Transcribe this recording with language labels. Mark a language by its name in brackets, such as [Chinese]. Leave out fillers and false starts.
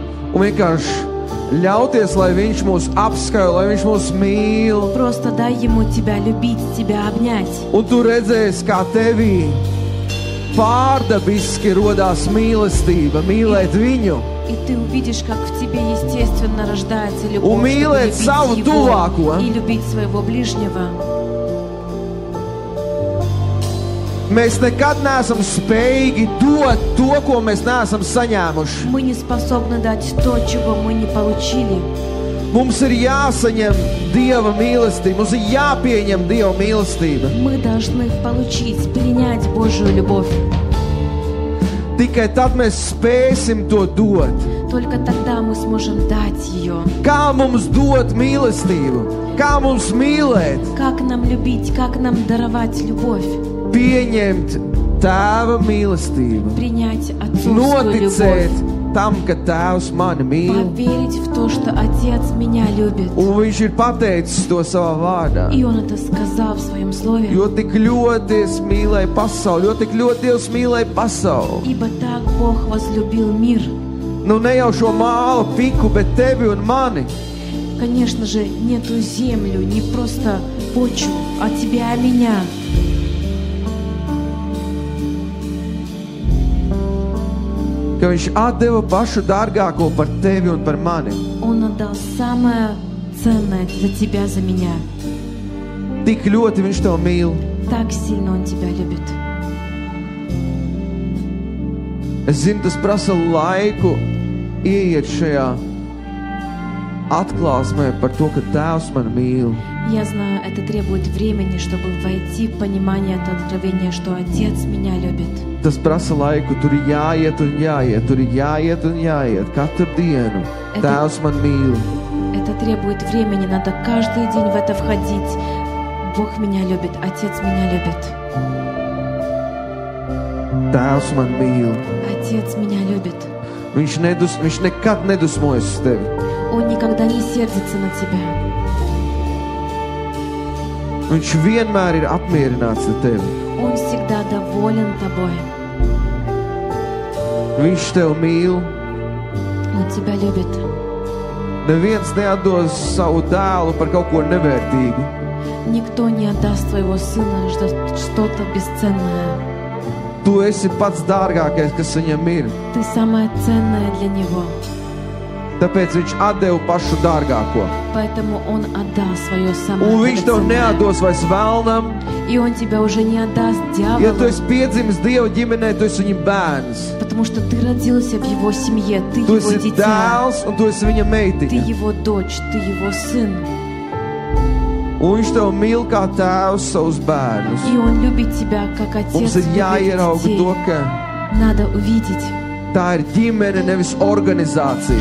[Latvian] Un vienkārši ļauties, lai Viņš mūs apskauj, lai Viņš mūs mīl. [Russian] Prosta daj Jemu Tebā ļubīt, Tebā apņēt. [Latvian] Un Tu redzēs, kā Tevī pārdabiski rodās mīlestība, mīlēt Viņu. [Russian] И ты увидишь, как в тебе естественно рождается любовь. Умилить саму дуваку. И любить своего ближнего. [Latvian] Mēs nekad neesam spējīgi dot to, ko mēs neesam saņēmuši. [Russian] Мы не способны дать то, чего мы не получили. [Latvian] Mums ir jāsaņem Dieva mīlestība, mums ir jāpieņem Dieva mīlestība. [Russian] Мы должны получить, принять Божию любовь. [Latvian] Tikai tad mēs spēsim to dot. [Russian] Только тогда мы сможем дать её. [Latvian] Kā mums dot mīlestību? Kā mums mīlēt? [Russian] Как нам любить, как нам даровать любовь? [Latvian] Pieņemt Tēva mīlestību. [Russian] Принять Отцовскую любовь. [Latvian] Noticēt tam, ka Tēvs mani mīl. [Russian] Поверить в то, что Отец меня любит. [Latvian] Un Viņš ir pateicis to savā vārdā. [Russian] И Он это сказал в Своем слове. [Latvian] Jo tik ļoti es mīlēju pasauli, jo tik ļoti Dievs mīlēja pasauli. [Russian] Ибо так Бог возлюбил мир. [Latvian] Nu ne jau šo mālu piku, bet tevi un mani. [Russian] Конечно же, не ту землю, не просто почву, а тебя и меня. [Latvian] Ka viņš atdeva pašu dārgāko par tevi un par mani. [Russian] Он отдал самое ценное за тебя, за меня. [Latvian] Tik ļoti viņš tev mīl. [Russian] Так сильно он тебя любит. [Latvian] Es zinu, tas prasa laiku ieiet šajā atklāsmē par to, ka Tēvs mani mīl. [Russian] Я знаю, это требует времени, чтобы войти в понимание это откровение, что Отец меня любит. [Latvian] Tas prasa laiku, tur ir jāiet un jāiet, tur ir jāiet un jāiet, katru dienu. Tēvs man mīl. [Russian] Это требует времени, надо каждый день в это входить. Бог меня любит, Отец меня любит. [Latvian] Tēvs man mīl. [Russian] Отец меня любит. [Latvian] Viņš nekad nedusmojas uz tevi. [Russian] Он никогда не сердится на тебя. [Latvian] Viņš vienmēr ir apmierināts ar tevi. [Russian] Он всегда доволен тобой. [Latvian] Viņš tev mīl. [Russian] Он тебя любит. [Latvian] Neviens neatdos savu dēlu par kaut ko nevērtīgu. [Russian] Никто не отдаст твоего сына за что-то бесценное. [Latvian] Tu esi pats dārgākais, kas viņam ir. [Russian] Ты самое ценное для него. [Latvian] Tāpēc viņš atdev pašu dārgāko. [Russian] Поэтому он отдал своё самое. [Latvian] Un viņš tev neatdos vairs velnam. [Russian] И он тебя уже не отдаст дьяволу. [Latvian] Ja tu esi piedzimis Dieva ģimenē, tu esi viņa bērns. [Russian] Потому что ты родился в его семье, ты его дитя. [Latvian] Tu esi dēls un tu esi viņa meitiņa. [Russian] Ты его дочь, ты его сын. [Latvian] Un viņš tev mīl kā tēvs savus bērnus. [Russian] И он любит тебя как отец. [Latvian] Mums ir jāierauga to, ka [Russian] надо увидеть. [Latvian] Tā ir ģimene, nevis organizācija.